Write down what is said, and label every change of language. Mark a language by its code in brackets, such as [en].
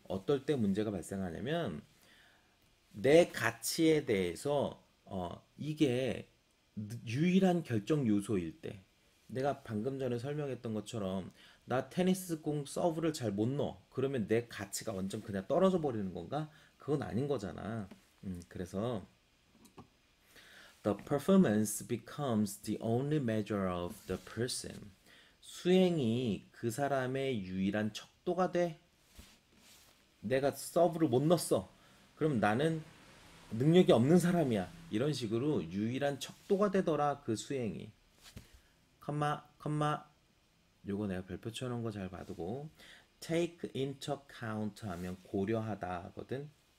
[ko] 어떨 때 문제가 발생하냐면, 내 가치에 대해서 이게 유일한 결정 요소일 때, 내가 방금 전에 설명했던 것처럼 나 테니스 공 서브를 잘못 넣어. 그러면 내 가치가 완전 그냥 떨어져 버리는 건가? 그건 아닌 거잖아. 그래서 [en] the performance becomes the only measure of the person. [ko] 수행이 그 사람의 유일한 척도가 돼. 내가 서브를 못 넣었어. 그럼 나는 능력이 없는 사람이야. 이런 식으로 유일한 척도가 되더라, 그 수행이. 컴마, 요거 내가 별표 쳐놓은 거잘 봐두고, [en] take into account [ko] 하면 고려하다거든.